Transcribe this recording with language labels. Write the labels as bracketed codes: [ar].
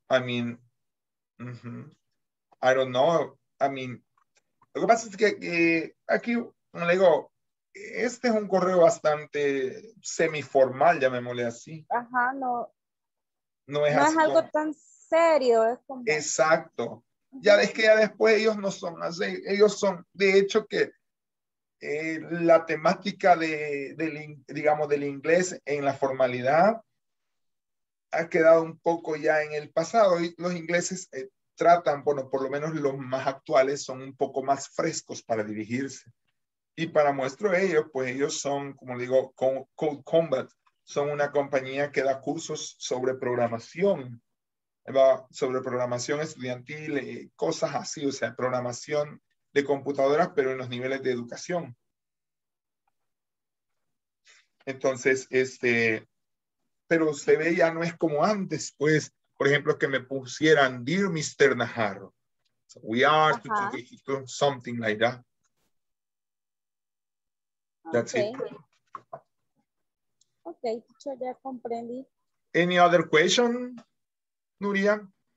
[en] Sí. I mean, uh-huh. I don't know. I mean, [es] lo que pasa es que aquí, como le digo, este es un correo bastante semiformal, llamémosle así. Ajá, no. No es no así. No es algo como... tan serio. Es como... Exacto. Uh-huh. Ya es que ya después ellos no son así. Ellos son, de hecho, que la temática del inglés en la formalidad ha quedado un poco ya en el pasado. Y los ingleses tratan, bueno, por lo menos los más actuales son un poco más frescos para dirigirse. Y para muestro ellos, pues ellos son, como digo, Code Combat, son una compañía que da cursos sobre programación, sobre programación estudiantil, cosas así, o sea, programación de computadoras, pero en los niveles de educación. Entonces, pero se ve ya no es como antes, pues, por ejemplo, que me pusieran, Dear Mr. [en] Najarro, so we are to something like that. That's okay. It. [es] Okay, teacher, ya comprendí. [en] Any other question, Nuria?